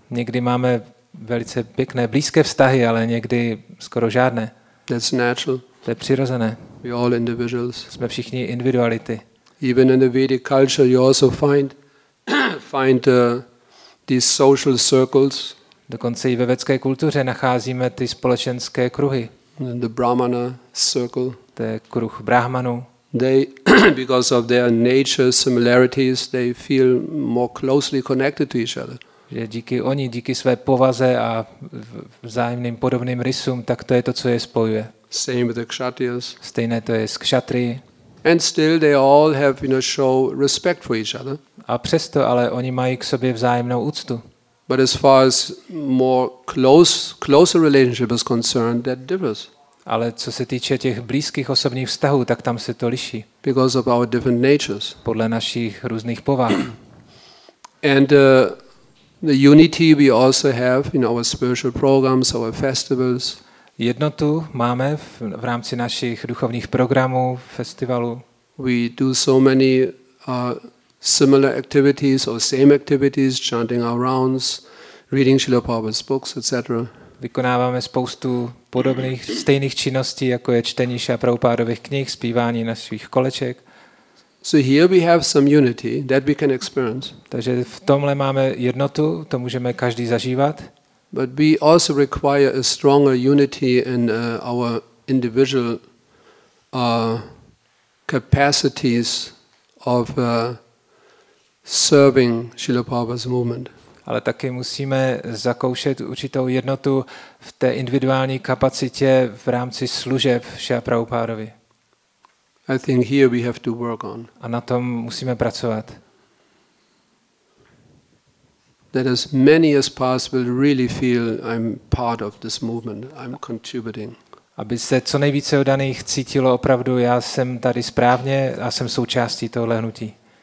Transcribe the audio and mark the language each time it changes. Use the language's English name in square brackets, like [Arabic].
[Czech] Někdy máme velice pěkné blízké vztahy, ale někdy skoro žádné. [English] That's natural. [Czech] To je přirozené. [English] We all individuals. [Czech] Jsme všichni individuality. [English] Even in the Vedic culture you also find these social circles. [Czech] Dokonce i ve vedské kultuře nacházíme ty společenské kruhy. [English] The Brahmana circle. [Czech] To je kruh Brahmanů. [English] They because of their nature similarities, they feel more closely connected to each other. [Czech] Že díky své povaze a vzájemným podobným rysům, tak to je to, co je spojuje. [English] Same with the kshatriyas. [Czech] Stejné to je s kšatry. [English] And still they all have show respect for each other. [Czech] A přesto ale oni mají k sobě vzájemnou úctu. [English] But as far as more closer relationship is concerned, that differs. [Czech] Ale co se týče těch blízkých osobních vztahů, tak tam se to liší. [English] Because of our different natures. [Czech] Podle našich různých povah. [English] And the unity we also have in our spiritual programs, our festivals. [Czech] Jednotu máme v rámci našich duchovních programů, festivalů. [English] We do so many similar activities or same activities, chanting our rounds, reading Srila Prabhupada's books, etc. [Czech] Vykonáváme spoustu podobných stejných činností, jako je čtení Srila Prabhupádových knih, zpívání na svých koleček. [English] So here we have some unity that we can experience. [Czech] Takže v tomhle máme jednotu, to můžeme každý zažívat. [English] But we also require a stronger unity in our individual capacities of serving Srila Prabhupada's movement. [Czech] Ale taky musíme zakoušet určitou jednotu v té individuální kapacitě v rámci služeb Srila Prabhupádovi. [English] I think here we have to work on. [Czech] A na tom musíme pracovat. [English] That as many as possible really feel I'm part of this movement, I'm contributing. [Czech] Aby se co nejvíce oddaných cítilo opravdu, já jsem tady správně a jsem součástí tohle hnutí.